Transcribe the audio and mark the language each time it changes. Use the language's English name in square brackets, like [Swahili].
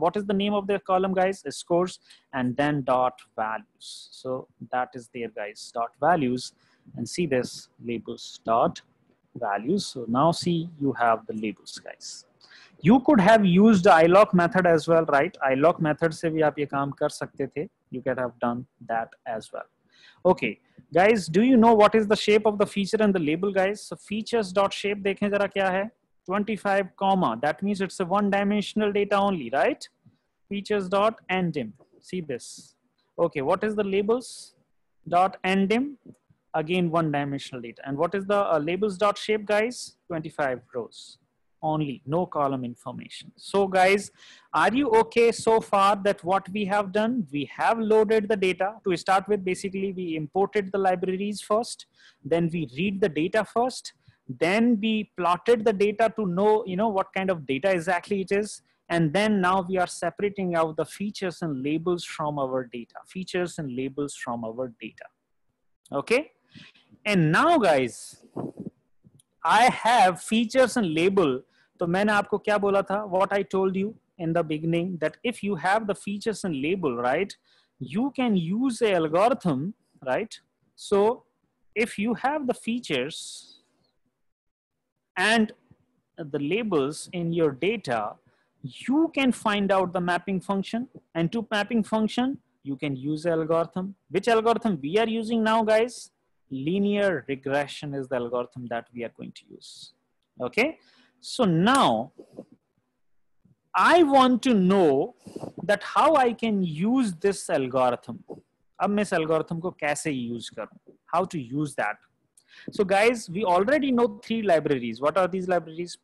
[English] What is the name of the column, guys? Scores, and then dot values. So that is there, guys, dot values. And see this, labels dot values. So now see, you have the labels, guys. You could have used iloc method as well, right? [Hindi] iloc method से भी आप ये काम कर सकते थे. [English] You could have done that as well. Okay, guys, do you know what is the shape of the feature and the label, guys? So features dot shape [Hindi] देखें जरा क्या है. [English] 25 comma. That means it's a one-dimensional data only, right? Features dot endim. See this. Okay, what is the labels dot endim? Again, one-dimensional data. And what is the labels dot shape, guys? 25 rows. Only no column information. So guys, are you okay so far that what we have done, we have loaded the data to start with. Basically, we imported the libraries first, then we read the data first, then we plotted the data to know, you know, what kind of data exactly it is, and then now we are separating out the features and labels from our data, features and labels from our data. Okay, and now guys, I have features and label. [Hindi] तो मैंने आपको क्या बोला था, [English] What I told you in the beginning, that if you have the features and label, right, you can use a algorithm, right. So if you have the features and the labels in your data, you can find out the mapping function, and to mapping function you can use a algorithm. Which algorithm we are using now guys, linear regression is the algorithm that we are going to use. Okay, so now I want to know that how I can use this algorithm. [Hindi] Ab main is algorithm ko kaise use karun, [English] how to use that. So guys, we already know three libraries. What are these libraries?